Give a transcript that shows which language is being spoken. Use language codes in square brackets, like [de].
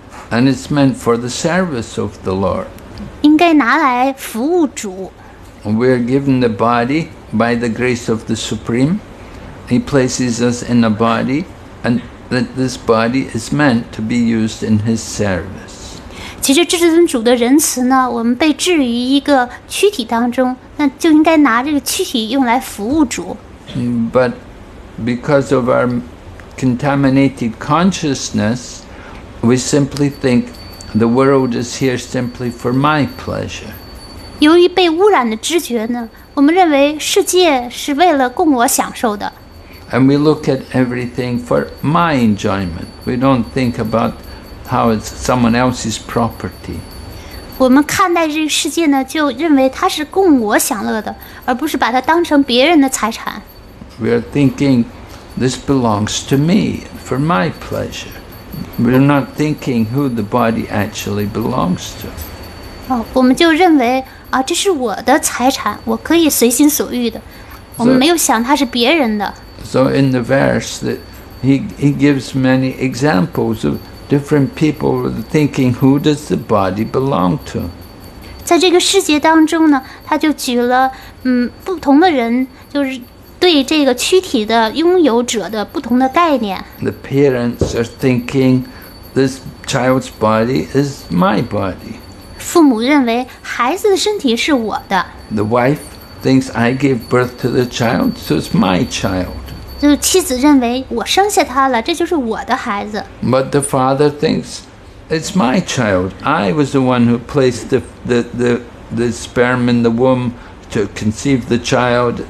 [en] And it's meant for the service of the Lord. [zh] 应该拿来服务主。 [en] We are given the body by the grace of the Supreme. He places us in a body, and that this body is meant to be used in His service. [zh] 其实至尊主的仁慈呢，我们被置于一个躯体当中。那就应该拿这个躯体用来服务主。 [en] But because of our contaminated consciousness, we simply think the world is here simply for my pleasure. [zh] 由于被污染的知觉呢，我们认为世界是为了供我享受的。 [en] And we look at everything for my enjoyment. We don't think about how it's someone else's property. [zh] 我们看待这个世界呢，就认为它是供我享乐的，而不是把它当成别人的财产。 [en] We are thinking this belongs to me for my pleasure. We are not thinking who the body actually belongs to. [zh] 我们就认为啊，这是我的财产，我可以随心所欲的。我们没有想它是别人的。 [en] So in the verse that he gives many examples of. Different people were thinking, who does the body belong to? [zh] 在这个世界当中呢，他就举了不同的人，就是对这个躯体的拥有者的不同的概念。 [en] The parents are thinking, this child's body is my body. [zh] 父母认为孩子的身体是我的。 [en] The wife thinks I gave birth to the child, so it's my child. [zh] 就是妻子认为我生下他了，这就是我的孩子。 [en] But the father thinks it's my child. I was the one who placed the sperm in the womb to conceive the child.